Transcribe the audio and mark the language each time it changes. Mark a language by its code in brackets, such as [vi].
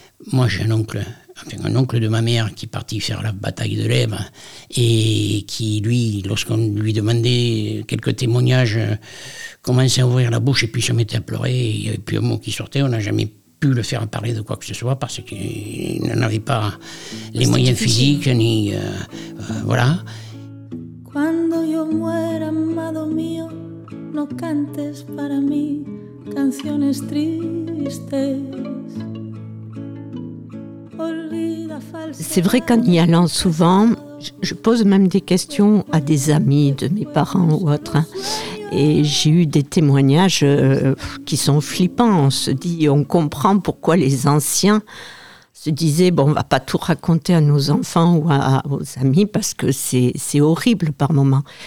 [fr] Moi j'ai un oncle de ma mère qui est parti faire la bataille de l'Ebre et qui lui, lorsqu'on lui demandait quelques témoignages, commençait à ouvrir la bouche et puis se mettait à pleurer, il n'y avait plus un mot qui sortait, on n'a jamais pu le faire parler de quoi que ce soit parce qu'il n'en avait pas les moyens physiques, ni... voilà. [es] Cuando yo muera, amado mío, no cantes para mí canciones tristes. Olvida falsedad. [fr] C'est vrai qu'en y allant souvent, je pose même des questions à des amis de mes parents ou autres. Et j'ai eu des témoignages qui sont flippants. On se dit, on comprend pourquoi les anciens se disait, bon, on ne va pas tout raconter à nos enfants ou aux amis parce que c'est horrible par moments.